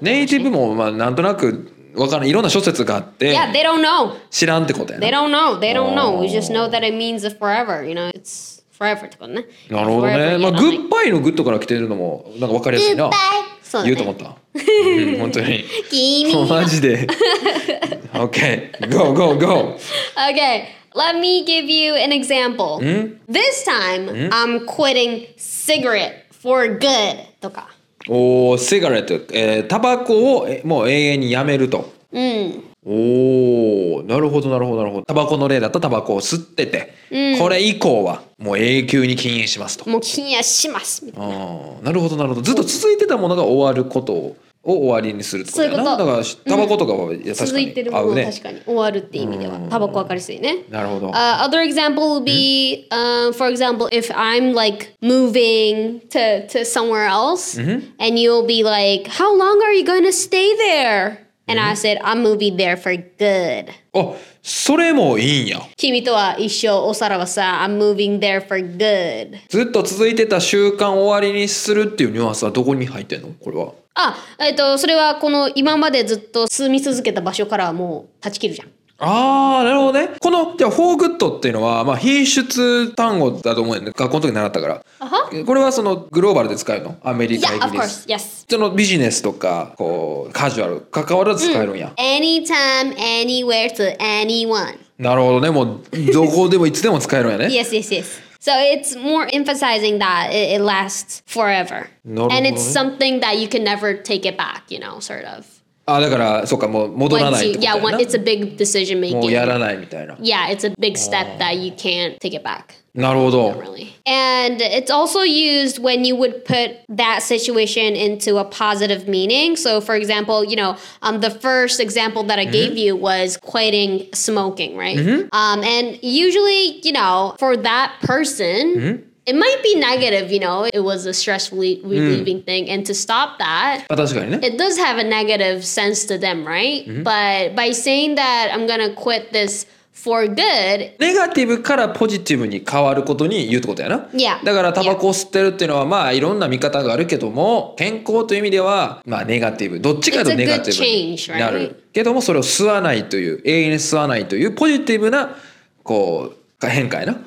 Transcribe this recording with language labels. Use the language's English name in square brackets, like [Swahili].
[Japanese] ネイティブもまあなんとなくわからないいろんな諸説があって [English] yeah they don't know [Japanese] 知らんってことやな [English] they don't know they don't know we just know that it means forever you know it's forever [Japanese] ってことねなるほどねまあグッバイのグッドから来てるのもなんかわかりやすいなグッバイそうね、言うと思った。本当に。君は。マジで。 [English] Okay, go, go, go. Okay, let me give you an example. This time, I'm quitting cigarette for good. [Japanese] とか。おー、cigarette、タバコをもう永遠にやめると。おー、なるほどなるほどなるほど。タバコの例だったタバコを吸ってて、これ以降は。もう永久に禁煙しますともう禁煙しますみたいなあなるほどなるほどずっと続いてたものが終わることを終わりにするってことそういうことだからタバコとかは確かに続いてるものは確かに終わるって意味ではタバコ分かりやすいねなるほど [English] Other example would be for example if I'm like moving to somewhere else and you'll be like how long are you gonna stay there and I said I'm moving there for good [Japanese] あそれもいいんや。君とは一生おさらばさ、 [English] I'm moving there for good。 [Japanese] ずっと続いてた習慣終わりにするっていうニュアンスはどこに入ってんの？これは。あ、それはこの今までずっと住み続けた場所からはもう断ち切るじゃん。ああ、なるほどね。この、じゃあ、for good っていうのは、まあ、品質単語だと思うよね。学校の時習ったから。これはその、グローバルで使えるのアメリカ、イギリス。 [English] Yeah, of course, yes. [Japanese] そのビジネスとか、こう、カジュアル、関わらず使えるんや。 [English] Anytime, anywhere to anyone. [Japanese] なるほどね。もう、どこでもいつでも使えるんやね。 [English] yes, yes, yes. So it's more emphasizing that it lasts forever. And it's something that you can never take it back, you know, sort of. [Japanese] Ah, だから、そうか、もう戻らないってことやな。 [English] Yeah, it's a big decision making. [Japanese] もうやらないみたいな。 [English] Yeah, it's a big step that you can't take it back. [Japanese] なるほど。 [English] Not really. And it's also used when you would put that situation into a positive meaning. So for example, you know, the first example that I gave you was quitting smoking, right? And usually, you know, for that person, it might be negative, you know, it was a stress relieving thing. And to stop that, it does have a negative sense to them, right? But by saying that I'm going to quit this for good. [Japanese] ネガティブからポジティブに変わることに言うってことやな。 [English] Yeah. [Japanese] だからタバコを吸ってるっていうのは、まあいろんな見方があるけども、健康という意味では、まあネガティブ。どっちかというとネガティブになる。 [English] Change, right? [Japanese] けども、それを吸わないという、永遠に吸わないというポジティブな、こう、変化やな。